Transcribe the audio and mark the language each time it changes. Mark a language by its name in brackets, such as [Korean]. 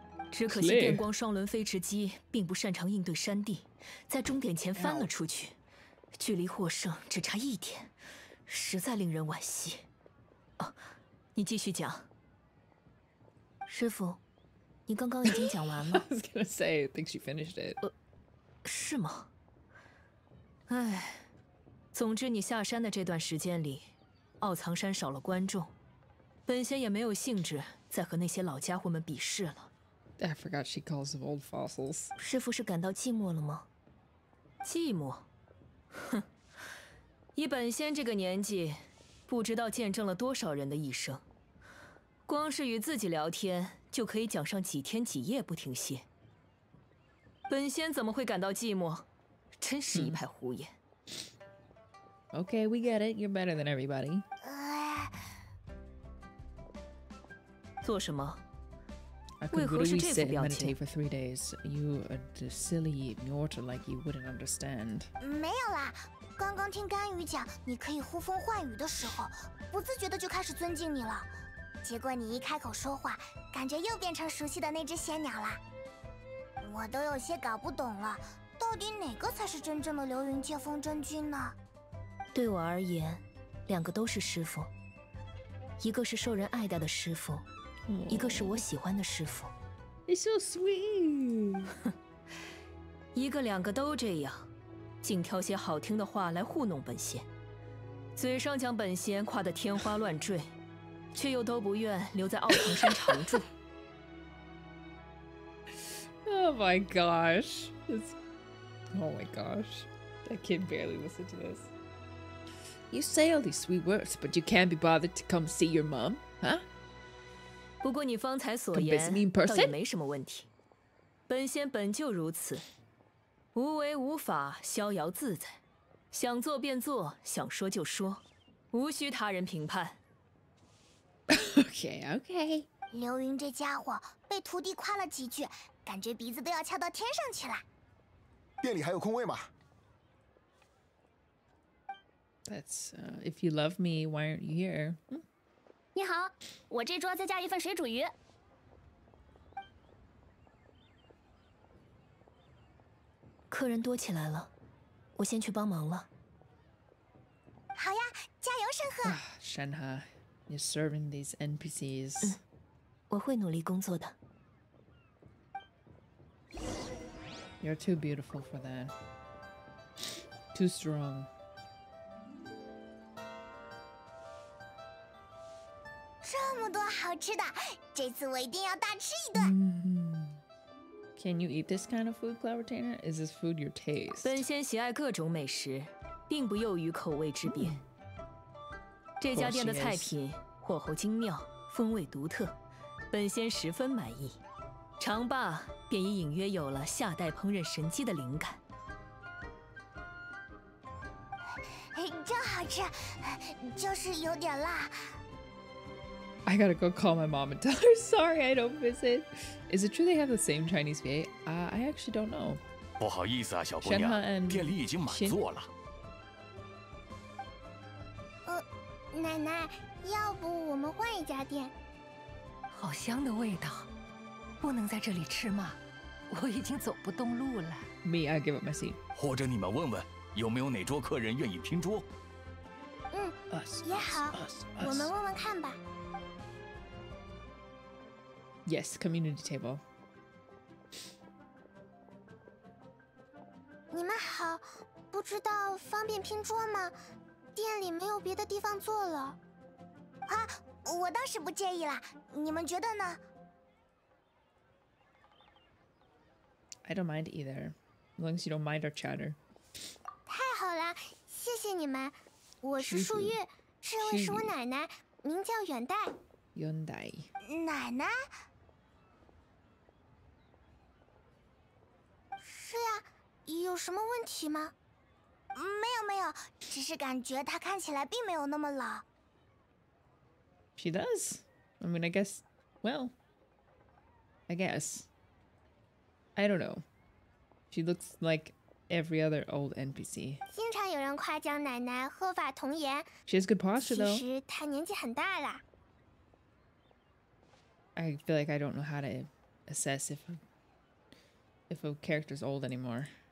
[Chinese] 只可惜电光双轮飞驰机并不擅长应对山地，在终点前翻了出去，距离获胜只差一点，实在令人惋惜。哦，你继续讲。师父，你刚刚已经讲完了。 [English] I was gonna say, I think she finished it. [Chinese] 是吗？哎，总之你下山的这段时间里，奥藏山少了观众，本仙也没有兴致再和那些老家伙们比试了。 [English] I forgot she calls them old fossils. [Chinese] 师父是感到寂寞了吗？寂寞？哼。以本仙这个年纪，不知道见证了多少人的一生，光是与自己聊天就可以讲上几天几夜不停歇，本仙怎么会感到寂寞，真是一派胡言。 [English] Okay, we get it, you're better than everybody. [Chinese] 做什么？ [English] I could literally sit and meditate for 3 days. You are silly mortal, like you wouldn't understand. [Chinese] 没有啦，刚刚听甘雨讲你可以呼风唤雨的时候，不自觉的就开始尊敬你了。结果你一开口说话，感觉又变成熟悉的那只仙鸟了。我都有些搞不懂了，到底哪个才是真正的流云接风真君呢？对我而言，两个都是师父，一个是受人爱戴的师父。一个是我喜欢的师父。 [English] It's so sweet. [Chinese] 一个两个都这样，竟挑些好听的话来糊弄本仙，嘴上将本仙夸得天花乱坠，却又都不愿留在奥藏山常住。 [English] Oh my gosh! It's... Oh my gosh! I can barely listen to this. You say all these sweet words, but you can't be bothered to come see your mom, huh? [Chinese] 不过你方才所言倒也没什么问题，本仙本就如此，无为无法，逍遥自在，想做便做，想说就说，无需他人评判。 [English] OK [Chinese] 流云这家伙被徒弟夸了几句，感觉鼻子都要翘到天上去了。店里还有空位吗？ [English] That's if you love me, why aren't you here? [Chinese] 你好，我这桌再加一份水煮鱼。客人多起来了，我先去帮忙了。好呀，加油，山河。 [English] 山河，you're serving these NPCs。 [Chinese] 我会努力工作的。 [English] You're too beautiful for that. Too strong. [Chinese] 多好吃的，这次我一定要大吃一顿。 [English] Can you eat this kind of food, Clever Tanner? Is this food your taste? [Chinese] 本仙喜爱各种美食，并不囿于口味之别。这家店的菜品火候精妙，风味独特，本仙十分满意。尝罢，便已隐约有了下代烹饪神机的灵感。真好吃，就是有点辣。 [English] I gotta go call my mom and tell her sorry I don't visit. Is it true they have the same Chinese VA? I actually don't know. [Chinese] 不好意思啊，小姑娘，店里已经满座了。奶奶，要不我们换一家店？好香的味道，不能在这里吃吗？我已经走不动路了。 [English] Me, I give up my seat. [Chinese] 或者你们问问，有没有哪桌客人愿意拼桌？嗯，也好，我们问问看吧。 [English] Yes, community table. [Chinese] 你们好，不知道方便拼桌吗？店里没有别的地方坐了。啊，我倒是不介意了，你们觉得呢？ [English] I don't mind either, as long as you don't mind our chatter. [Chinese] 太好了，谢谢你们。我是树玉，这位是我奶奶，名叫元代。元代。奶奶？是呀，有什么问题吗？没有没有，只是感觉她看起来并没有那么老。 [English] She does. I mean, I guess, well, I guess. I don't know. She looks like every other old NPC. [Chinese] 经常有人夸奖奶奶鹤发童颜。 [English] She has good posture, though. [Chinese] 其实她年纪很大了。 [English] I feel like I don't know how to assess if a character's old anymore.